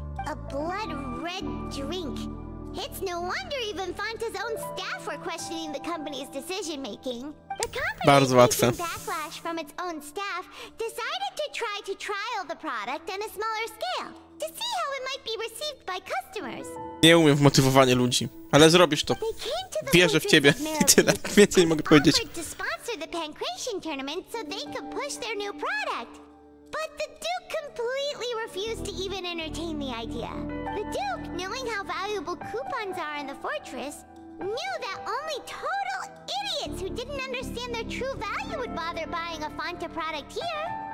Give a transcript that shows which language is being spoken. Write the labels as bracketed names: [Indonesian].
[English] A blood-red drink. It's no wonder even Fonta's own staff were questioning the company's decision making. The company, facing backlash from its own staff, decided to try to trial the product on a smaller scale to see how it might be received by customers. [Polish] Nie umiem w motywowanie ludzi, ale zrobisz to. Wierzę w ciebie. I tyle. Więcej nie mogę powiedzieć. [English] To sponsor the Pancration tournament so they could push their new product. But the Duke completely refused to even entertain the idea. The Duke, knowing how valuable coupons are in the fortress, knew that only total idiots who didn't understand their true value would bother buying a Fonta product here.